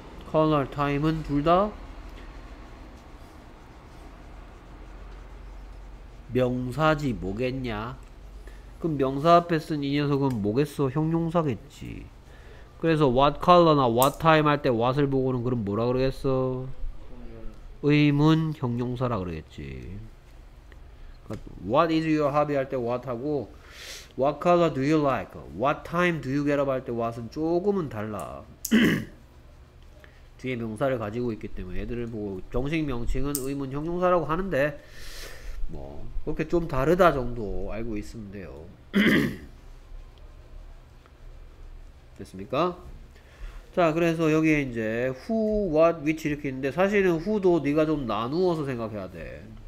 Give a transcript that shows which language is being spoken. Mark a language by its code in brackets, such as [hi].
[ko] color, time은 둘 다 명사지 뭐겠냐? 그럼 명사 앞에 쓴 이 녀석은 뭐겠어? 형용사겠지. 그래서 what color나 what time 할 때 what을 보고는 그럼 뭐라 그러겠어? 의문 형용사라 그러겠지. [en] What is your hobby [ko] 할 때 [en] what 하고 What color do you like? What time do you get up [ko] 할 때 what은 조금은 달라. 뒤에 명사를 가지고 있기 때문에 얘들을 보고 정식 명칭은 의문 형용사라고 하는데 뭐 그렇게 좀 다르다 정도 알고 있으면 돼요. 됐습니까? 자 그래서 여기에 이제 who, what, which 이렇게 있는데 사실은 who도 네가 좀 나누어서 생각해야 돼.